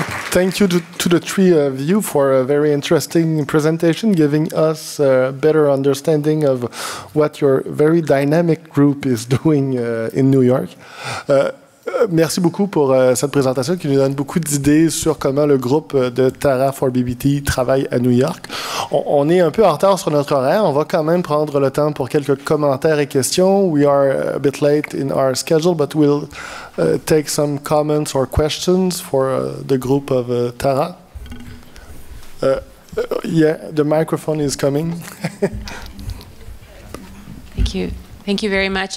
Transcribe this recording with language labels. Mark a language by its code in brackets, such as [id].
[en] Thank you to the three of you for a very interesting presentation, giving us a better understanding of what your very dynamic group is doing in New York. [fr] Merci beaucoup pour cette présentation qui nous donne beaucoup d'idées sur comment le groupe de Tara for BBT travaille à New York. On est un peu en retard sur notre horaire. On va quand même prendre le temps pour quelques commentaires et questions. [en] We are a bit late in our schedule, but we'll take some comments or questions for the group of Tara. Yeah, the microphone is coming. Thank you. Thank you very much.